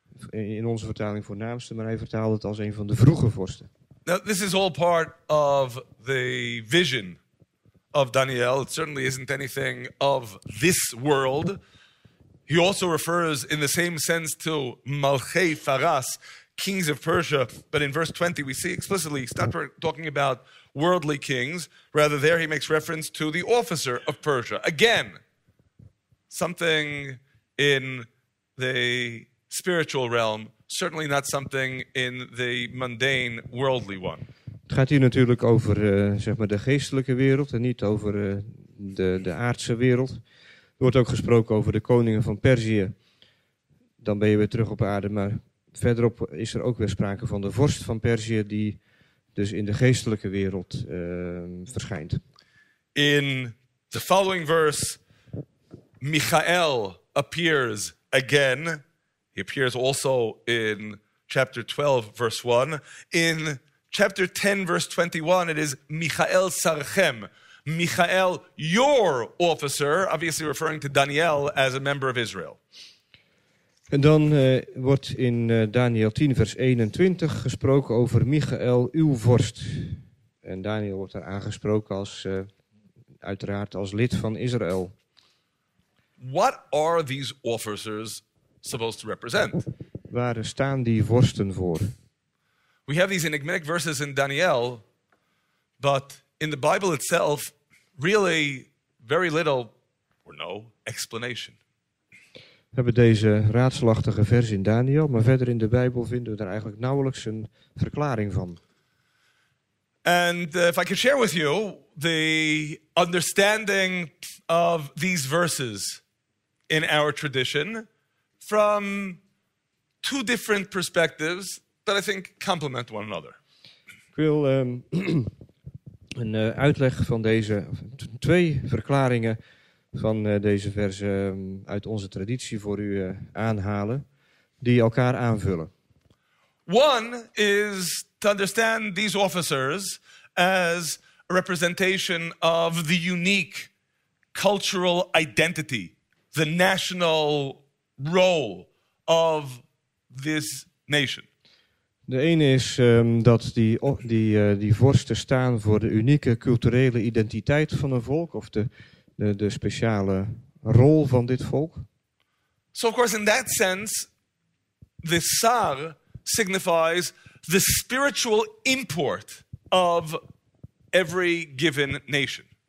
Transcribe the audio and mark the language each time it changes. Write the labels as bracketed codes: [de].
[nl] In onze vertaling voornaamste, maar hij vertaalde het als een van de vroege vorsten. [en] Now, this is all part of the vision of Daniel. It certainly isn't anything of this world. He also refers in the same sense to Malchei Faras, kings of Persia. But in verse 20, we see explicitly, he's not talking about worldly kings. Rather, there he makes reference to the officer of Persia. Again, something in the spiritual realm, certainly not something in the mundane worldly one. [nl] Het gaat hier natuurlijk over zeg maar de geestelijke wereld en niet over de aardse wereld. Er wordt ook gesproken over de koningen van Perzië. Dan ben je weer terug op aarde, maar verderop is er ook weer sprake van de vorst van Perzië die dus in de geestelijke wereld verschijnt. [en] In the following verse, Michael appears again. He appears also in chapter 12, verse 1. In chapter 10, verse 21, it is Michael Sarchem. Michael, your officer, obviously referring to Daniel as a member of Israel. [nl] En dan wordt in Daniel 10, vers 21 gesproken over Michael, uw vorst. En Daniel wordt daar aangesproken als uiteraard als lid van Israël. [en] What are these officers supposed to represent? [nl] Waar staan die vorsten voor? [en] We have these enigmatic verses in Daniel, but in the Bible itself, really very little or no explanation. [nl] We hebben deze raadselachtige vers in Daniel, maar verder in de Bijbel vinden we daar eigenlijk nauwelijks een verklaring van. [en] And if I could share with you the understanding of these verses in our tradition from two different perspectives that I think complement one another. [nl] Ik wil een uitleg van deze twee verklaringen van deze verse uit onze traditie voor u aanhalen, die elkaar aanvullen. [en] One is to understand these officers as a representation of the unique cultural identity, the national role of this nation. [nl] De ene is dat die vorsten staan voor de unieke culturele identiteit van een volk, of de speciale rol van dit volk. [en] So of course in that sense the sar signifies the spiritual import of every given nation.